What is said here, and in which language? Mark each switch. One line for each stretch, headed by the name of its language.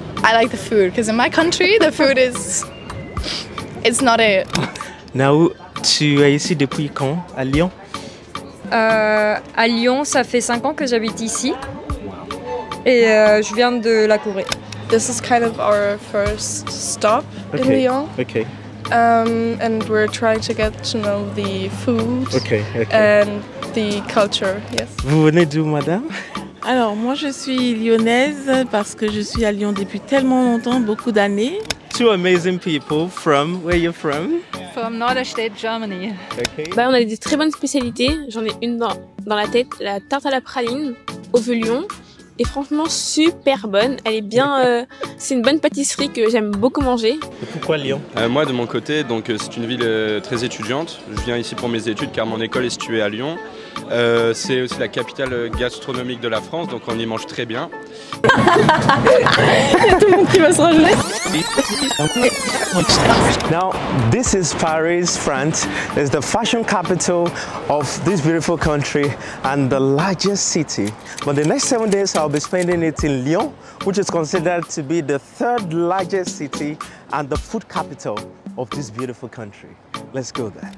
English: I like the food because in my country the food is it's not it.
French: Nao, tu es ici depuis quand? À Lyon? À Lyon, ça fait 5 ans que j'habite ici. Et je viens de la Corée.
English: This is kind of our first stop in Lyon. Okay. And we're trying to get to know the food. Okay. And the culture. Yes.
French: Vous venez d'où, madame? Alors, moi je suis lyonnaise parce que je suis à Lyon depuis tellement longtemps, beaucoup d'années.
English: Two amazing people from where you're from? From Norderstedt, Germany.
French: Okay. Bah, on a des très bonnes spécialités. J'en ai une dans la tête, la tarte à la praline au velion. Et franchement, super bonne. Elle est bien. C'est une bonne pâtisserie que j'aime beaucoup manger. Et pourquoi Lyon? Moi, de mon côté, donc, c'est une ville très étudiante. Je viens ici pour mes études car mon école est située à Lyon. C'est aussi la capitale gastronomique de la France, donc on y mange très bien. Il y a tout le monde qui va se rajouter.
English: Now, this is Paris, France. It's the fashion capital of this beautiful country and the largest city. But the next 7 days, I'll be spending it in Lyon, which is considered to be the third largest city and the food capital of this beautiful country. Let's go there.